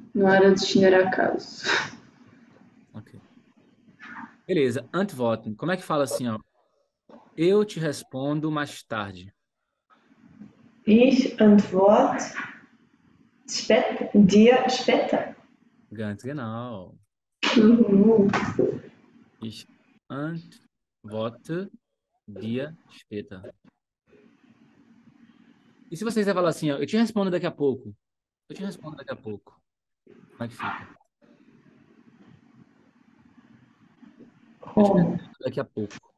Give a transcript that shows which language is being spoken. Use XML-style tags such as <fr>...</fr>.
<pt>Não era destino, era acaso. Beleza, Antworten. Como é que fala assim, ó? Eu te respondo mais tarde.</pt> <de>Ich antworte dir später. Ganz genau. Ich antworte dir später.</de> <pt>E se vocês falar assim, ó, eu te respondo daqui a pouco. Eu te respondo daqui a pouco. Como é que fica? Eu te Como? respondo daqui a pouco.</pt>